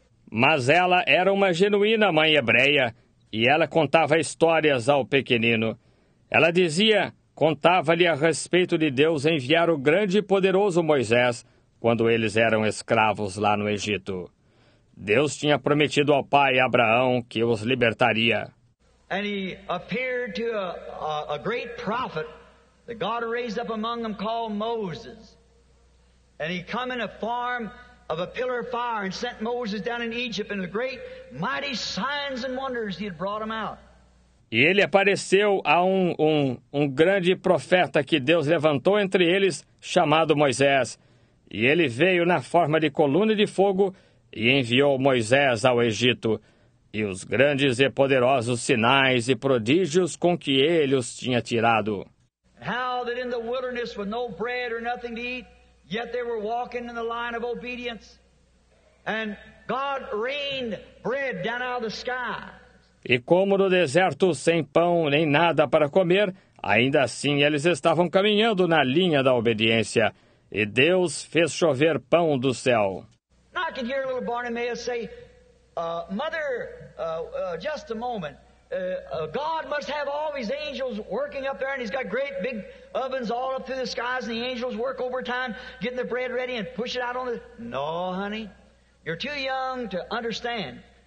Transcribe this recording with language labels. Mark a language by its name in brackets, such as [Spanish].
[Portuguese] Mas ela era uma genuína mãe hebreia, e ela contava histórias ao pequenino. Ela dizia, contava-lhe a respeito de Deus enviar o grande e poderoso Moisés quando eles eram escravos lá no Egito. Deus tinha prometido ao pai Abraão que os libertaria. [English] And he appeared to a great prophet that God raised up among them called Moses. And he came in a form of a pillar of fire and sent Moses down in Egypt and the great mighty signs and wonders he had brought him out. [Portuguese] E ele apareceu a um grande profeta que Deus levantou entre eles, chamado Moisés. E ele veio na forma de coluna de fogo e enviou Moisés ao Egito, e os grandes e poderosos sinais e prodígios com que ele os tinha tirado. [English] How that in the wilderness with no bread or nothing to eat, yet they were walking in the line of obedience, and God rained bread down out of the sky. [Portuguese] E como no deserto sem pão nem nada para comer, ainda assim eles estavam caminhando na linha da obediência. E Deus fez chover pão do céu. [English] Now I can hear little Bartimaeus say, Mother, just a moment. God must have all these angels working up there, and he's got great big ovens all up through the skies, and the angels work overtime, getting the bread ready and push it out on the... No, honey, you're too young to understand.